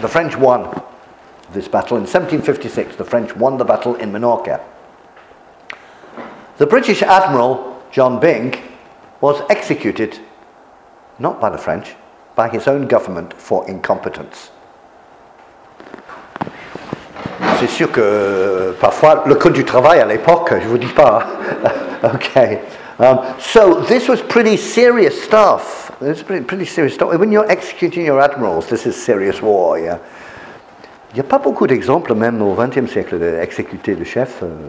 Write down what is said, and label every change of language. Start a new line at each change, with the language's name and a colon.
English: The French won this battle. In 1756, the French won the battle in Menorca. The British Admiral, John Byng, was executed, not by the French, by his own government for incompetence.
French: C'est sûr que parfois le code du travail à l'époque, je vous dis pas.
English: Okay. So this was pretty serious stuff. This is pretty serious stuff. When you're executing your admirals, this is serious war, yeah.
French: Il n'y a pas beaucoup d'exemples, même au XXe siècle, d'exécuter le chef.